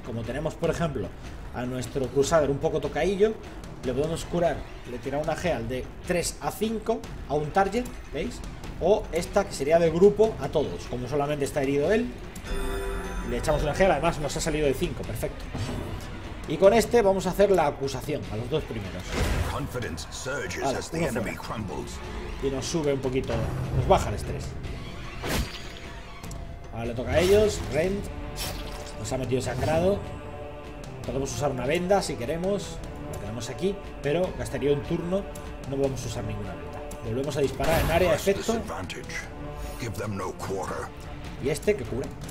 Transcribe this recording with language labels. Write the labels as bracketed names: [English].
[Spanish] Como tenemos, por ejemplo, a nuestro cruzador un poco tocaillo, le podemos curar, le tira una geal de 3 a 5 a un target, ¿veis? O esta, que sería de grupo a todos. Como solamente está herido él, le echamos una gel, además nos ha salido de 5, perfecto. Y con este vamos a hacer la acusación a los dos primeros. [English] Confidence surges as the enemy crumbles. [Spanish] Y nos sube un poquito, nos baja el estrés. Ahora le toca a ellos, Rent. Nos ha metido sangrado. Podemos usar una venda si queremos. La tenemos aquí, pero gastaría un turno. No vamos a usar ninguna venda. Volvemos a disparar en área de efecto. [English] Give them no quarter. [Spanish] Y este que cura.